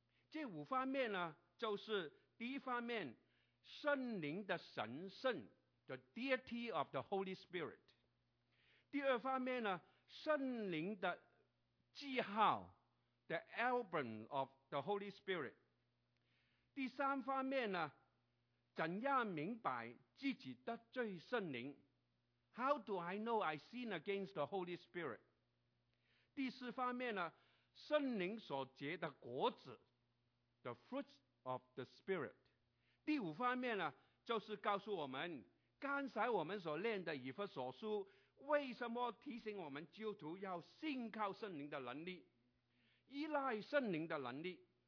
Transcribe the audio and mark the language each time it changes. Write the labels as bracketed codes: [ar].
[zh] 这五方面呢，就是第一方面，圣灵的神圣 [en] The deity of the Holy Spirit。 [zh] 第二方面呢，圣灵的记号 [en] The album of the Holy Spirit。 [zh] 第三方面呢，怎样明白自己得罪圣灵？ [en] How do I know I sin against the Holy Spirit? [zh] 第四方面呢，圣灵所结的果子， [en] The fruits of the Spirit。 [zh] 第五方面呢，就是告诉我们刚才我们所念的以弗所书为什么提醒我们基督徒要信靠圣灵的能力，依赖圣灵的能力。